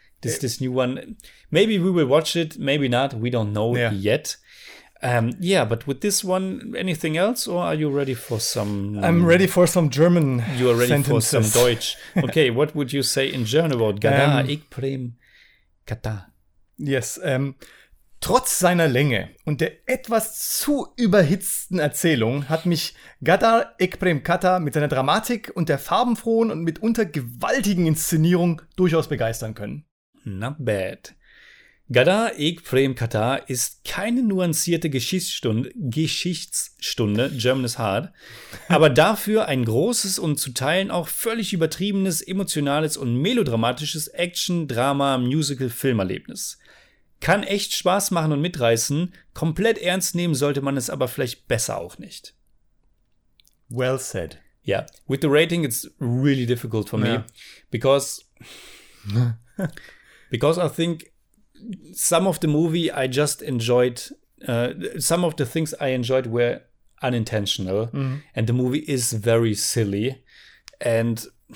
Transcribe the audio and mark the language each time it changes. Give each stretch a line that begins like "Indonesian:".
English: This new one, maybe we will watch it, maybe not. We don't know yet. But with this one, anything else? Or are you ready for some... I'm ready for some German You are ready sentences. For some Deutsch. Okay, what would you say in German about Gadar, ich Prem, Katha? Yes.
German: Trotz seiner Länge und der etwas zu überhitzten Erzählung hat mich Gadar, ich Prem, Katha mit seiner Dramatik und der farbenfrohen und mitunter gewaltigen Inszenierung durchaus begeistern können. Not bad. Gadar Ek Prem Katha ist keine nuancierte Geschichtsstunde,
English: German is hard,
German: aber dafür ein großes und zu Teilen auch völlig übertriebenes, emotionales und melodramatisches Action-Drama-Musical-Filmerlebnis. Kann echt Spaß machen und mitreißen. Komplett ernst nehmen sollte man es aber vielleicht besser auch nicht.
English: Well said. Yeah. With the rating, it's really difficult for me. Because I think some of the movie I just enjoyed, some of the things I enjoyed were unintentional. Mm-hmm. And the movie is very silly. And